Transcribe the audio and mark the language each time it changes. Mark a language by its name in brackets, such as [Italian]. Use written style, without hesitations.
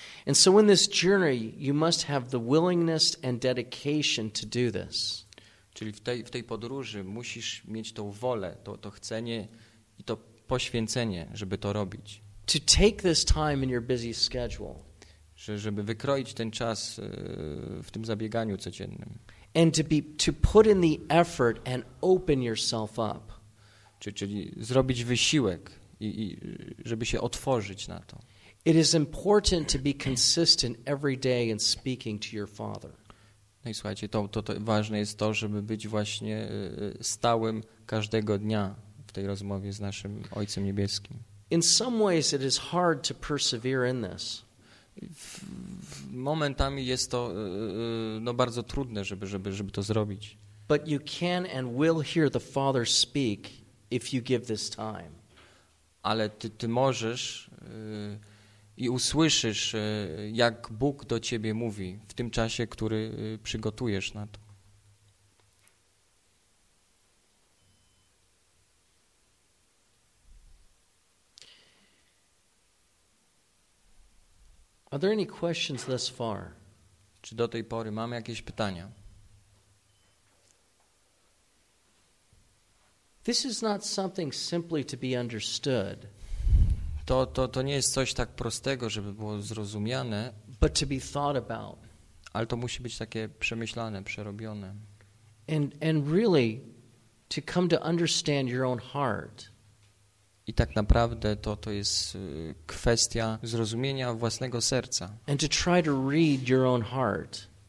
[English] And so in this journey you must have the willingness and dedication to do this. [Polish] Czyli w tej podróży musisz mieć tą wolę, to chcenie i to poświęcenie, żeby to robić. [English] To take this time in your busy schedule. [Polish] żeby wykroić ten czas w tym zabieganiu codziennym. [English] And to put in the effort and open yourself up. [Polish] Czyli zrobić wysiłek i żeby się otworzyć na to. [English] It is important to be consistent every day in speaking to your father. [Polish] No i słuchajcie, to ważne jest to, żeby być właśnie stałym każdego dnia w tej rozmowie z naszym Ojcem Niebieskim. [English] In some ways it is hard to persevere in this. [Polish] Momentami jest to no bardzo trudne, żeby to zrobić. [English] But you can and will hear the Father speak if you give this time. [Polish] Ale ty możesz i usłyszysz, jak Bóg do ciebie mówi w tym czasie, który przygotujesz na to. [English] Are there any questions thus far? [Polish] Czy do tej pory mamy jakieś pytania? [English] This is not something simply to be understood. [Polish] To nie jest coś tak prostego, żeby było zrozumiane. [English] But to be thought about. [Polish] Ale to musi być takie przemyślane, przerobione. [English] And really to come to understand your own heart. [Polish] I tak naprawdę to jest kwestia zrozumienia własnego serca. [English] And to try to read your own heart.